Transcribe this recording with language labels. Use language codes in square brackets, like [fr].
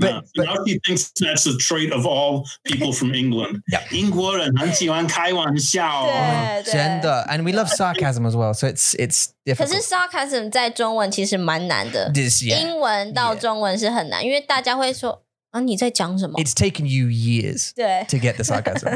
[en] But now she thinks that's a trait of all people from England. Yeah. [zh] 英国人很喜欢开玩笑. 真的. [en] And we love sarcasm as well. So it's difficult. [zh] 可是 sarcasm 在中文其实蛮难的. [en] This, yeah. [zh] 英文到中文是很难, 因为大家会说, 啊, 你在讲什么? [en] It's taken you years to get the sarcasm.